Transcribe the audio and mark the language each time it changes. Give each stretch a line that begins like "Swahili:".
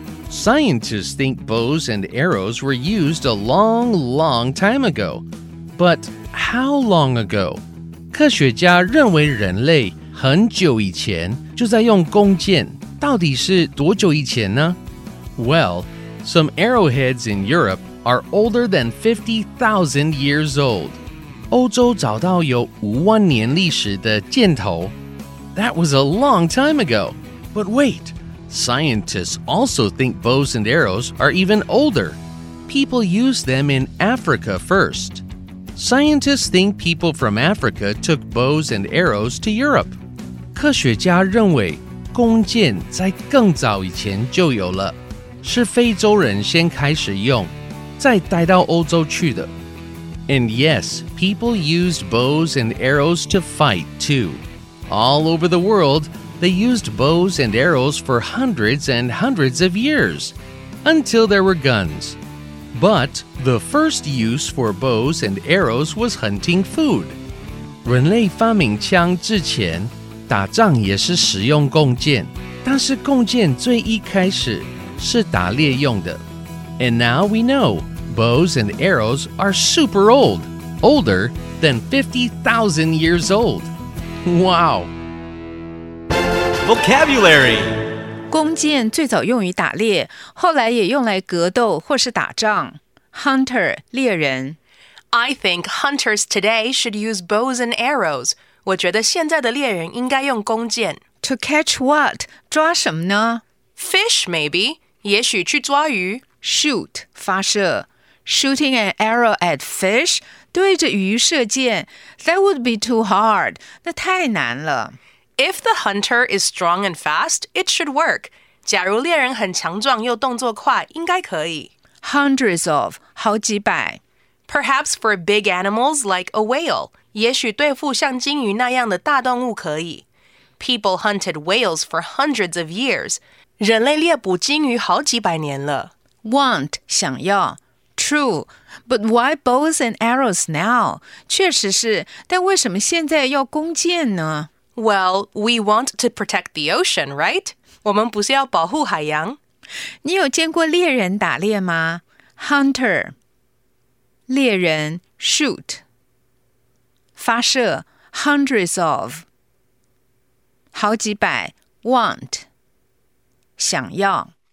English: Scientists think bows and arrows were used a long, long time ago. But how long ago?
Chinese: 科学家认为人类很久以前就在用弓箭，到底是多久以前呢？
English: Well, some arrowheads in Europe are older than 50,000 years old.
Chinese: 欧洲找到有五万年历史的箭头。
English: That was a long time ago. But wait, scientists also think bows and arrows are even older. People used them in Africa first. Scientists think people from Africa took bows and arrows to Europe.
Chinese: 科学家认为弓箭在更早以前就有了，是非洲人先开始用，再带到欧洲去的。
English: And yes, people used bows and arrows to fight too. All over the world, they used bows and arrows for hundreds and hundreds of years, until there were guns. But the first use for bows and arrows was hunting food.
Chinese: 人类发明枪之前，打仗也是使用弓箭，但是弓箭最一开始是打猎用的。
English: And now we know, bows and arrows are super old, older than 50,000 years old. Wow! Vocabulary!
Chinese: 弓箭最早用于打猎，后来也用来格斗或是打仗。
English: Hunter, 猎人。 I think hunters today should use bows and arrows.
Chinese: 我觉得现在的猎人应该用弓箭。
English: To catch what?
Chinese: 抓什么呢？
English: Fish, maybe.
Chinese: 也许去抓鱼。
English: Shoot, 发射。 Shooting an arrow at fish?
Chinese: 对着鱼射箭。
English: That would be too hard.
Chinese: 那太难了。
English: If the hunter is strong and fast, it should work.
Chinese: 假如猎人很强壮又动作快，应该可以。
English: Hundreds of, 好几百。 Perhaps for big animals like a whale,
Chinese: 也许对付像鲸鱼那样的大动物可以。
English: People hunted whales for hundreds of years.
Chinese: 人类猎捕鲸鱼好几百年了。
English: Want, 想要。 True, but why bows and arrows now?
Chinese: 确实是，但为什么现在要弓箭呢？
English: Well, we want to protect the ocean, right?
Chinese: 我们不是要保护海洋。你有见过猎人打猎吗？Hunter, 猎人 shoot, 发射 hundreds of, 好几百 want, 想要。